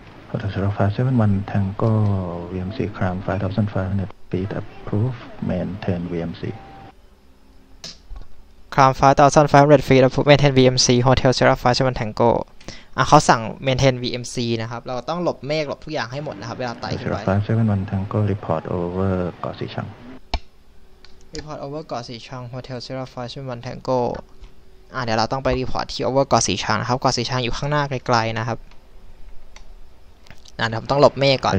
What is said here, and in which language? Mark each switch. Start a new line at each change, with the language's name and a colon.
English: Hotel Sierra Five 71 Tango VMC climb 5,500 feet approve maintain VMC climb 5,500 feet approve maintain VMC Hotel Sierra Five 71 Tango
Thai: เขาสั่ง maintain VMC นะครับเราต้องหลบเมฆหลบทุกอย่างให้หมดนะครับเวลาไต่ขึ้นไป
English: Hotel Sierra Five 71 Tango report over เกาะสีชัง รีพอร์ตโอเวอร์เกาะสีชังโฮเทลเซราฟายเซเว่นวันแทงโก้
Thai: เดี๋ยวเราต้องไปรีพอร์ตที่โอเวอร์เกาะสีชังนะครับเกาะสีชังอยู่ข้างหน้าไกลๆนะครับเดี๋ยวผมต้องหลบเมฆก่อน